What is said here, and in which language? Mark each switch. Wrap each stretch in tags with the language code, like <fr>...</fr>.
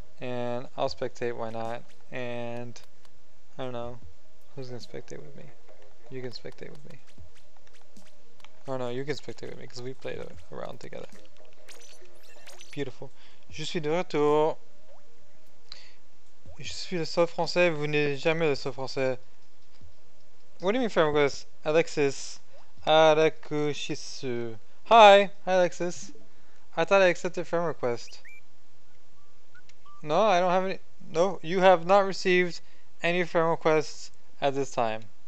<en>And I'll spectate, why not? And I don't know. Who's gonna spectate with me? You can spectate with me. Oh no, you can spectate with me because we played around together. Beautiful.</en> <fr>Je suis de retour. Je suis le seul français, vous n'êtes jamais le seul français.</fr> <en>What do you mean, Framegos? Alexis. Arakushisu. Hi, Alexis. I thought I accepted friend request. No, I don't have any. No, you have not received any friend requests at this time.</en>